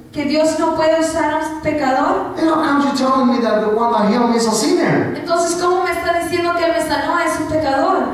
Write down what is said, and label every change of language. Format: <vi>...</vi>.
<es>Que Dios no puede usar a un pecador.</es> <en>And how come you telling me that the one that healed me is a sinner?</en> <es>Entonces, ¿cómo me está diciendo que él me sanó es un pecador?</es>